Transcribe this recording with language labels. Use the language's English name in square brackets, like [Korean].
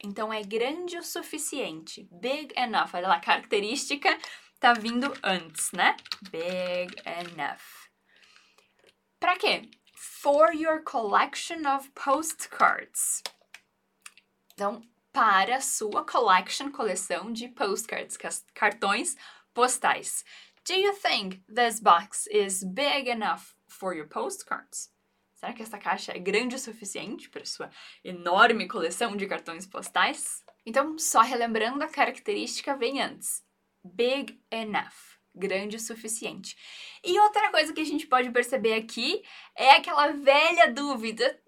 [Portuguese] Então é grande o suficiente. [English] Big enough. [Portuguese] Olha lá, a característica tá vindo antes, né? Big enough. Pra quê? [English] For your collection of postcards. [Portuguese] Então, para sua collection, coleção de postcards, cartões postais. [English] Do you think this box is big enough for your postcards? [Portuguese] Será que essa caixa é grande o suficiente para sua enorme coleção de cartões postais? Então, só relembrando, a característica vem antes. Big enough. Grande o suficiente. E outra coisa que a gente pode perceber aqui é aquela velha dúvida.